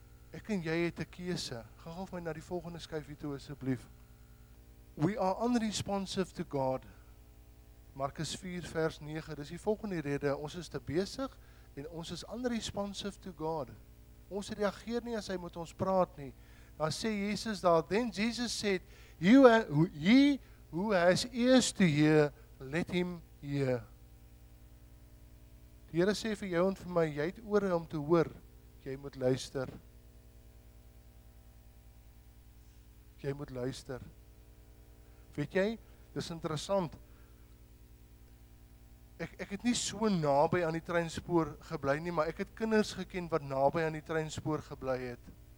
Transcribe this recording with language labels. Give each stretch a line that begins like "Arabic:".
Afrikaans: Ek en jy het 'n keuse. Gaan gou vir my na die volgende skyfie toe asseblief.
English: We are unresponsive to God.
Afrikaans: Markus 4 vers 9. Dis die volgende rede. Ons is te besig. En ons is
English: unresponsive to God.
Afrikaans: Ons reageer nie as hy met ons praat nie. Dan sê Jesus daar,
English: then Jesus said, he who has ears to hear, let him hear.
Afrikaans: Die Here sê vir jou en vir my, jy het ore om te hoor, jy moet luister. jy moet luister. Weet jy, dis interessant. Ek het nie so naby aan die treinspoor gebly nie, maar ek het kinders geken wat naby aan die treinspoor gebly het.